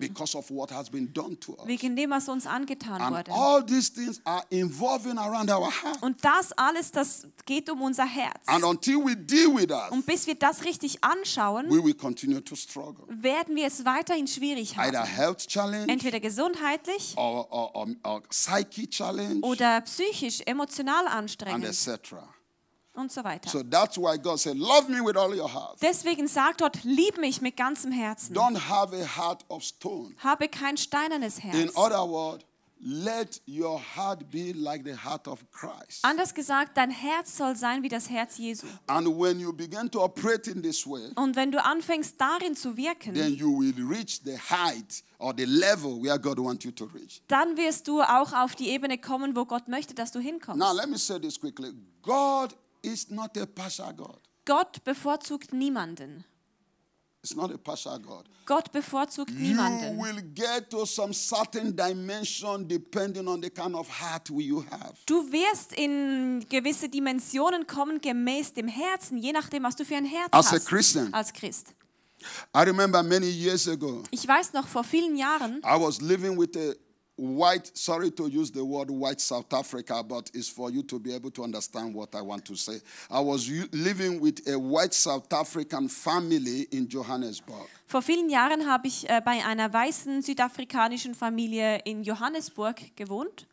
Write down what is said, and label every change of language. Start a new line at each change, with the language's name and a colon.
English: Because of what has been done to us.
German: Wegen dem, was uns angetan
English: and
German: wurde.
English: All these things are involving around our heart.
German: Und das alles, das geht um unser Herz.
English: And until we deal with us,
German: und bis wir das richtig anschauen,
English: we will continue to struggle.
German: Werden wir es weiterhin schwierig haben.
English: Either health challenge,
German: entweder gesundheitlich
English: or psyche challenge,
German: oder psychisch, emotional anstrengend.
English: And etc.
German: Und so weiter.
English: So that's why God said, love me with all your heart.
German: Deswegen sagt Gott, lieb mich mit ganzem Herzen.
English: Don't have a heart of stone.
German: Habe kein steinernes Herz.
English: In other words, Let your heart be like the heart of Christ.
German: Anders gesagt, dein Herz soll sein wie das Herz Jesu.
English: And when you begin to operate in this way,
German: und wenn du anfängst darin zu wirken,
English: then you will reach the height or the level where God wants you to reach.
German: Dann wirst du auch auf die Ebene kommen, wo Gott möchte, dass du hinkommst.
English: Now let me say this quickly. God is not a partial God.
German: Gott bevorzugt niemanden.
English: It's not a partial God.
German: Gott bevorzugt
English: you
German: niemanden.
English: You will get to some certain dimension depending on the kind of heart you have.
German: Du wirst in gewisse Dimensionen kommen gemäß dem Herzen, je nachdem, was du für ein Herz
English: as
German: hast.
English: A Christian,
German: als Christ.
English: I remember many years ago.
German: Ich weiß noch vor vielen Jahren.
English: I was living with a white, sorry to use the word white South Africa, but it's for you to be able to understand what I want to say. I was living with a white South African family in Johannesburg.
German: Vor vielen Jahren habe ich bei einer weißen südafrikanischen Familie in Johannesburg gewohnt.